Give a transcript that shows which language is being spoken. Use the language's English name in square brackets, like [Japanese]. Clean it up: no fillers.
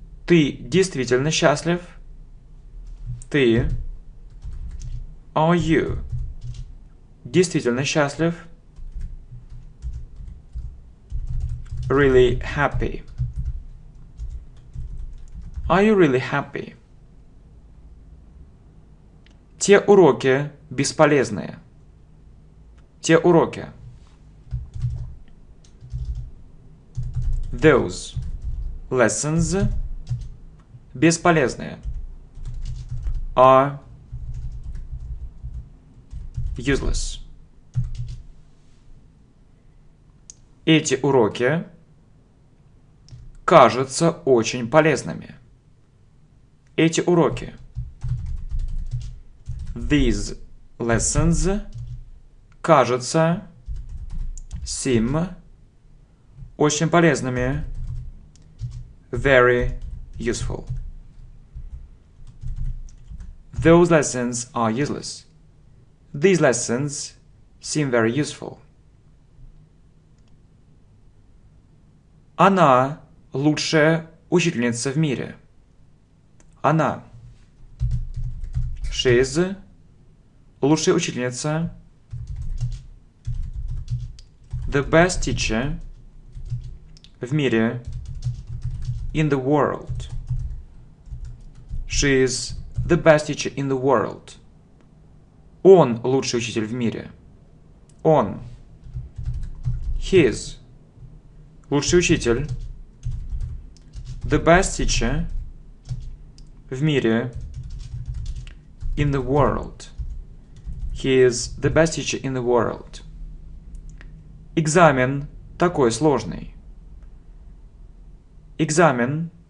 [Russian] Ты действительно счастлив? Ты? [English] Are you [Russian] действительно счастлив? [English] Really happy. Are you really happy? [Russian] Те уроки бесполезные. Те уроки. [English] Those lessons [Russian] бесполезные. [English] Are useless. [Russian] Эти уроки кажутся очень полезными. Эти уроки. [English] these lessons, [Russian] кажутся, [English] seem, [Russian] очень полезными, [English] very useful. Those lessons are useless. These lessons seem very useful. [Russian] Она лучшая учительница в мире. Она. [English] She's [Russian] лучшая учительница. [English] The best teacher [Russian] в мире. [English] In the world. She's the best teacher in the world. [Russian] Он лучший учитель в мире. Он. [English] He's [Russian] лучший учитель. [English] The best teacher [Russian] в мире. [English] In the world. He is the best teacher in the world. [Russian] Экзамен такой сложный. Экзамен.